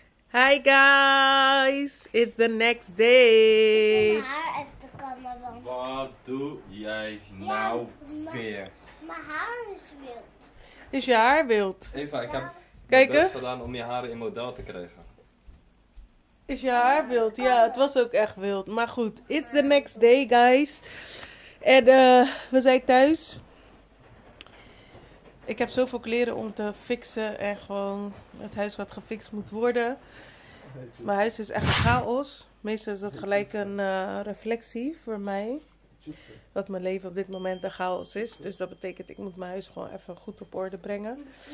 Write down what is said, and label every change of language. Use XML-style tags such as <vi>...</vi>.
<en>Hi guys, it's the next day.</en> <nl>Wat doe jij nou ja, weer? Mijn haar is wild. Is je haar wild? Eva, ik heb Kijken. Heb je best gedaan om je haren in model te krijgen? Is je haar wild? Ja, het was ook echt wild. Maar goed,</nl> <en>it's the next day, guys.</en> <nl>En we zijn thuis. Ik heb zoveel kleren om te fixen en gewoon het huis wat gefixt moet worden. Mijn huis is echt chaos. Meestal is dat gelijk een reflectie voor mij. Dat mijn leven op dit moment een chaos is. Dus dat betekent ik moet mijn huis gewoon even goed op orde brengen.</nl>